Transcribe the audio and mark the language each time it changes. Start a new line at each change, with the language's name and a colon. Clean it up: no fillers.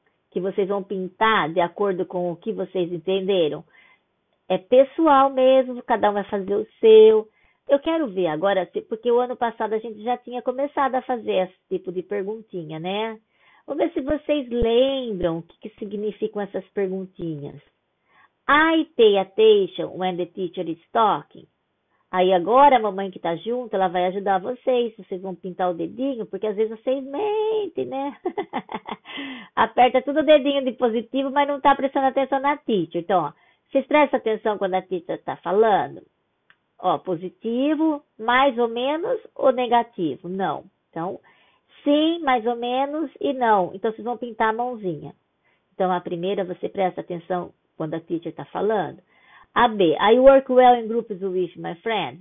Portuguese: Que vocês vão pintar de acordo com o que vocês entenderam? É pessoal mesmo, cada um vai fazer o seu. Eu quero ver agora, porque o ano passado a gente já tinha começado a fazer esse tipo de perguntinha, né? Vamos ver se vocês lembram o que significam essas perguntinhas.
English: I pay attention when the teacher is talking.
Portuguese: Aí agora a mamãe que está junto, ela vai ajudar vocês. Vocês vão pintar o dedinho, porque às vezes vocês mentem, né? Aperta tudo o dedinho de positivo, mas não está prestando atenção na teacher. Então, ó, vocês prestam atenção quando a teacher está falando? Ó, positivo, mais ou menos, ou negativo? Não. Então, sim, mais ou menos, e não. Então, vocês vão pintar a mãozinha. Então, a primeira, você presta atenção quando a teacher está falando.
English: A B, I work well in groups with my friends.